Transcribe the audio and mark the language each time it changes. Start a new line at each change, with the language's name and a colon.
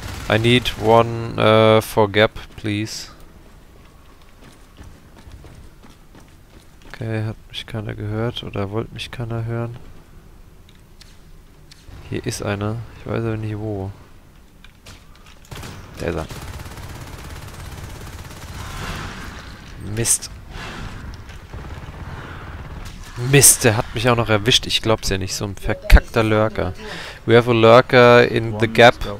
English: I need one for Gap, please.
German: Okay, hat mich keiner gehört oder wollte mich keiner hören. Hier ist einer. Ich weiß aber nicht wo. Der ist er. Mist, der hat mich auch noch erwischt. Ich glaub's ja nicht. So ein verkackter Lurker.
English: We have a Lurker in the gap.